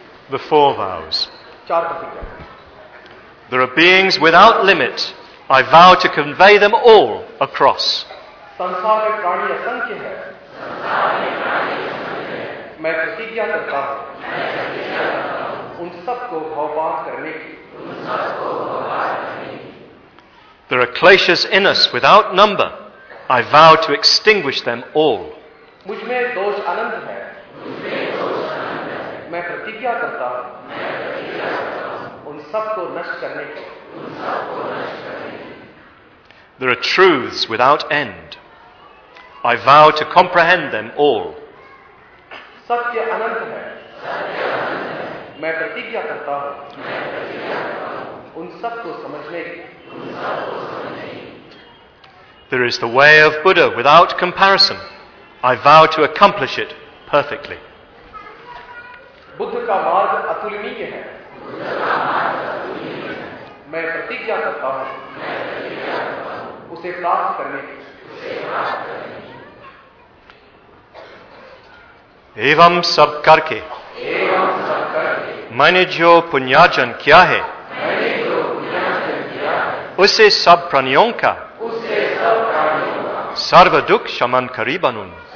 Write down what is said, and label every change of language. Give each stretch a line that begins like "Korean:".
English: the four vows. There are beings without limit. I vow to convey them all across.
Hindi: संसार में प्राणी असंख्य है. संसार में प्राणी असंख्य है. मैं प्रतिज्ञा करता हूँ. मैं प्रतिज्ञा करता हूँ. उन सबको भावबाध करने की. उन सबको भावबाध करने.
English: There are kleshas in us without number. I vow to extinguish them all.
Hindi: मुझ में दोष अनंत है. मैं प्रतिज्ञा करता हूँ. उन सबको नष्ट करने की.
English: There are truths without end. I vow to comprehend them all.
Hindi: सत्य अनंत है. मैं प्रतिज्ञा करता हूँ. उन सब को समझने की।
English: There is the way of Buddha without comparison. I vow to accomplish it perfectly.
Hindi: Buddha का मार्ग अतुलनीय है। मैं प्रतिज्ञा करता हूँ उसे प्राप्त करने की। एवं सब करके मैंने जो पुण्याजन किया है उसे सब प्राणियों का सर्व दुख शमन करी बनुन।